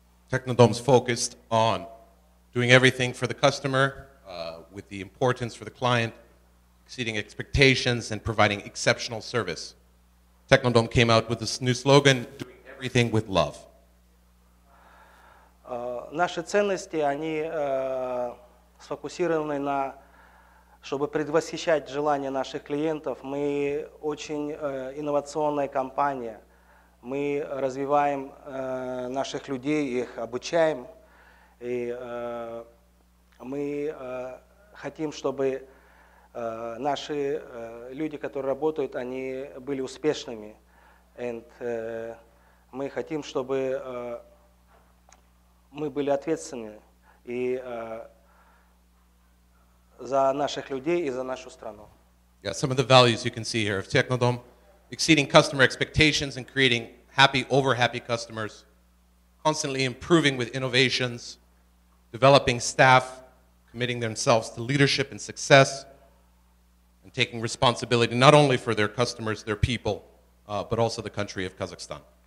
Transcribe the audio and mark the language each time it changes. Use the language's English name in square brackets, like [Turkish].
[English] Technodom's focused on doing everything for the customer with the importance for the client, exceeding expectations and providing exceptional service. Technodom came out with this new slogan, doing everything with love. [Russian] Наши ценности, они сфокусированы на, чтобы предвосхищать желания наших клиентов. Мы очень инновационная компания. Мы развиваем наших людей, их обучаем. И мы хотим, чтобы наши люди, которые работают, они были успешными. And мы хотим, чтобы мы были ответственны и за наших людей и за нашу страну. [English] Yeah, some of the values you can see here of Technodom: exceeding customer expectations and creating happy, over happy customers, constantly improving with innovations, developing staff, committing themselves to leadership and success, and taking responsibility not only for their customers, their people, but also the country of Kazakhstan.